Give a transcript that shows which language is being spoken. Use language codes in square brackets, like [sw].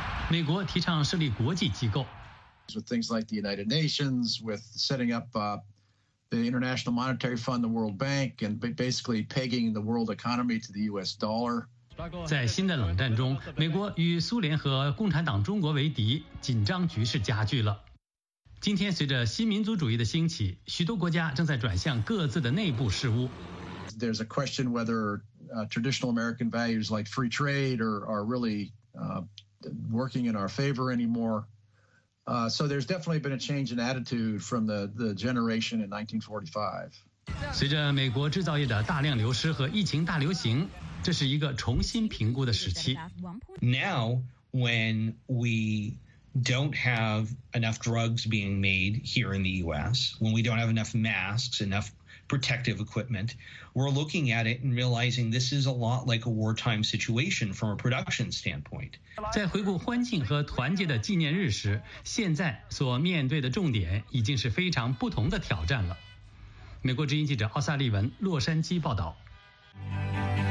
[zh] 美国提倡设立国际机构。 [en] With things like the United Nations, with setting up, the International Monetary Fund, the World Bank, and basically pegging the world economy to the U.S. dollar. [zh] 在新的冷战中，美国与苏联和共产党中国为敌，紧张局势加剧了。今天，随着新民族主义的兴起，许多国家正在转向各自的内部事务。 [en] There's a question whether traditional American values like free trade are really working in our favor anymore. So there's definitely been a change in attitude from the generation in 1945. [zh] 随着美国制造业的大量流失和疫情大流行，这是一个重新评估的时期。 [en] Now, when we don't have enough drugs being made here in the U.S., when we don't have enough masks, enough protective equipment, we're looking at it and realizing this is a lot like a wartime situation from a production standpoint. [zh] 在回顾欢庆和团结的纪念日时，现在所面对的重点已经是非常不同的挑战了。美国之音记者奥萨利文，洛杉矶报道。